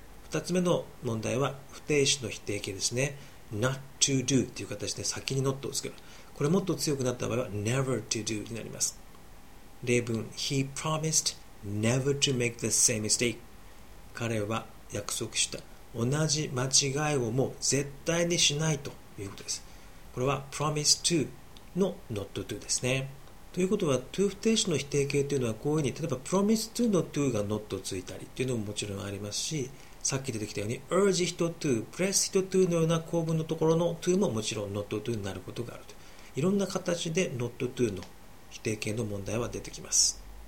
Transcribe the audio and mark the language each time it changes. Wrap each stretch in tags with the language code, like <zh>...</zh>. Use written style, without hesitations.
<ja>2つ目の問題は不定詞の否定形ですね。not to do という形で先に not をつける。これもっと強くなった場合は never to do になります。例文、</ja> <en>he promised never to make the same mistake、</en> <ja>彼は約束した、同じ間違いをもう絶対にしないということです。これは promise to の not to ですね。ということは to 不定詞の否定形というのは、こういうふうに例えば promise to の to が not をついたりというのももちろんありますし、さっき出てきたように urge it to、 press it to のような構文のところの to ももちろん not to になることがあると。いろんな形で not to の否定形の問題は出てきます。</ja>